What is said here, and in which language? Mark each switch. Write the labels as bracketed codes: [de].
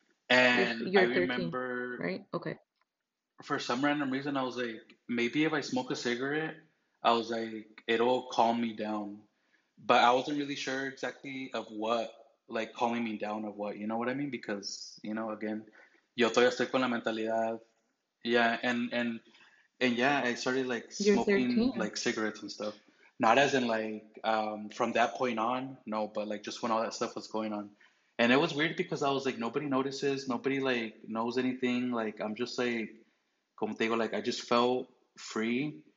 [en] At this point, how old are you? And you're 13, I remember, right? Okay. For some random reason, I was like, maybe if I smoke a cigarette, I was like, it'll calm me down. But I wasn't really sure exactly of what, like calming me down of what, you know what I mean? Because, you know, again, [es] yo todavía estoy con la mentalidad. [en] Yeah, and yeah, I started like smoking like cigarettes and stuff. Not as in like from that point on, no, but like just when all that stuff was going on. And it was weird because I was like, nobody notices, nobody like knows anything. Like I'm just like, [es] como te digo, [en] like I just felt free.